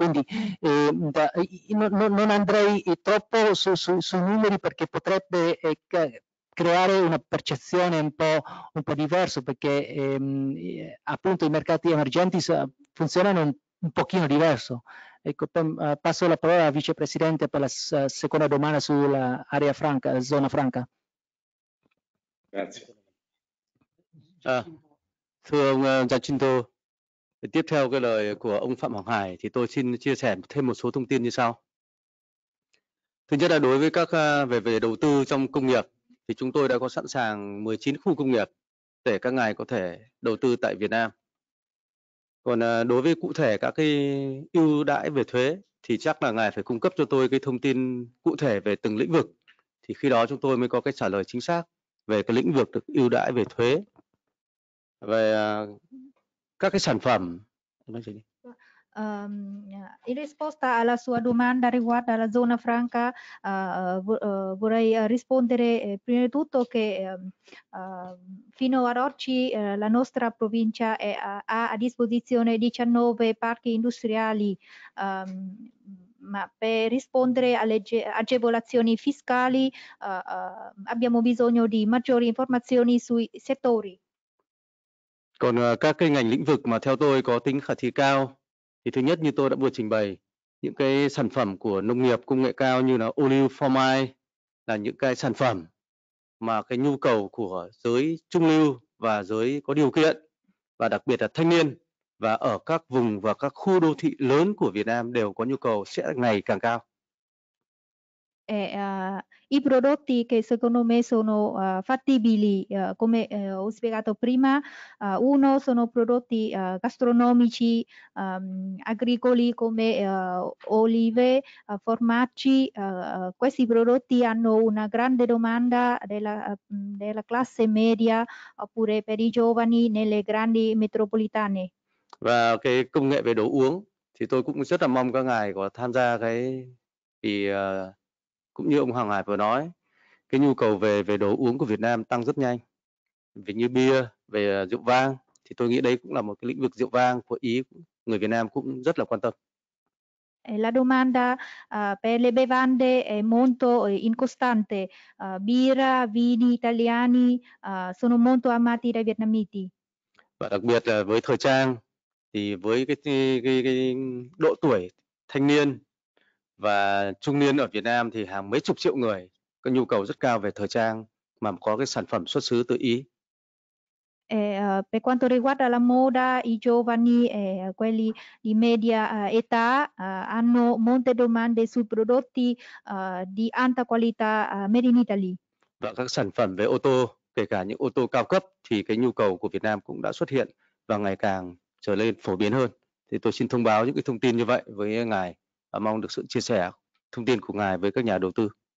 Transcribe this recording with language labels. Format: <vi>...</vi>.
<it>Quindi non andrei troppo sui numeri perché potrebbe creare una percezione un po' diversa, perché appunto i mercati emergenti funzionano un pochino diverso. Ecco, passo la parola al vicepresidente per la seconda domanda sulla area franca, zona franca. Grazie.</it> <vi>Thưa ông Giacinto, tiếp theo cái lời của ông Phạm Hoàng Hải thì tôi xin chia sẻ thêm một số thông tin như sau. Thứ nhất là đối với các về đầu tư trong công nghiệp thì chúng tôi đã có sẵn sàng 19 khu công nghiệp để các ngài có thể đầu tư tại Việt Nam. Còn đối với cụ thể các cái ưu đãi về thuế thì chắc là ngài phải cung cấp cho tôi cái thông tin cụ thể về từng lĩnh vực thì khi đó chúng tôi mới có cái trả lời chính xác về cái lĩnh vực được ưu đãi về thuế, về các cái sản phẩm.</vi> <it>In risposta alla sua domanda riguardo alla zona franca, vorrei rispondere prima di tutto che fino ad oggi la nostra provincia ha a disposizione 19 parchi industriali, ma per rispondere alle agevolazioni fiscali abbiamo bisogno di maggiori informazioni sui settori.</it> <vi>Còn các cái ngành lĩnh vực mà theo tôi có tính khả thi cao. Thì thứ nhất như tôi đã vừa trình bày, những cái sản phẩm của nông nghiệp công nghệ cao như là olive phô mai là những cái sản phẩm mà cái nhu cầu của giới trung lưu và giới có điều kiện và đặc biệt là thanh niên và ở các vùng và các khu đô thị lớn của Việt Nam đều có nhu cầu sẽ ngày càng cao.</vi> <it>I prodotti che secondo me sono fattibili, come ho spiegato prima, uno sono prodotti gastronomici, agricoli come olive, formaggi. Questi prodotti hanno una grande domanda della classe media oppure per i giovani nelle grandi metropolitane.</it> <vi>Và cái công nghệ về đồ uống thì tôi cũng rất là mong các ngài có tham gia cái vì cũng như ông Hoàng Hải vừa nói, cái nhu cầu về đồ uống của Việt Nam tăng rất nhanh. Ví như bia, về rượu vang, thì tôi nghĩ đây cũng là một cái lĩnh vực rượu vang của Ý, người Việt Nam cũng rất là quan tâm.</vi> <it>La domanda per le bevande è molto incostante. Birra, vini italiani sono molto amati dai vietnamiti.</it> <vi>Và đặc biệt là với thời trang, thì với cái độ tuổi thanh niên, và trung niên ở Việt Nam thì hàng mấy chục triệu người có nhu cầu rất cao về thời trang mà có cái sản phẩm xuất xứ từ Ý.</vi> <it>Per quanto riguarda la moda, i giovani e quelli di media età hanno molte domande sui prodotti di alta qualità made in Italy.</it> <vi>Và các sản phẩm về ô tô, kể cả những ô tô cao cấp thì cái nhu cầu của Việt Nam cũng đã xuất hiện và ngày càng trở nên phổ biến hơn. Thì tôi xin thông báo những cái thông tin như vậy với ngài và mong được sự chia sẻ thông tin của ngài với các nhà đầu tư.</vi>